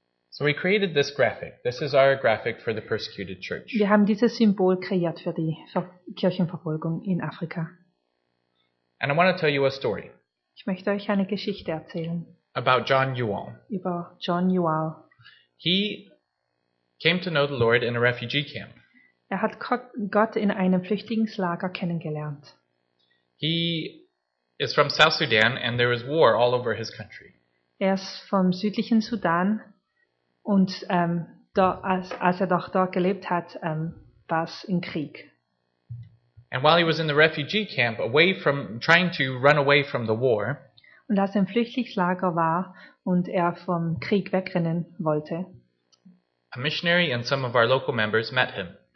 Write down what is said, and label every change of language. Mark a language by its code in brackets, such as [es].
[en] So we created this graphic. This is our graphic for the persecuted church. [de] Wir haben dieses Symbol kreiert für die Kirchenverfolgung in Afrika. [en] And I want to tell you a story. [de] Ich möchte euch eine Geschichte erzählen. [en] About John Yuall. [de] Über John Yuall. [en] He came to know the Lord in a refugee camp. [de] Er hat Gott in einem Flüchtlingslager kennengelernt. [en] He is from South Sudan and there is war all over his country. [de] Er ist vom südlichen Sudan. Und als er doch dort gelebt hat, war es im Krieg. [en] And while he was in the refugee camp, away from trying to run away from the war, [de] und als er im Flüchtlingslager war und er vom Krieg wegrennen wollte, [en] a missionary and some of our local members met him.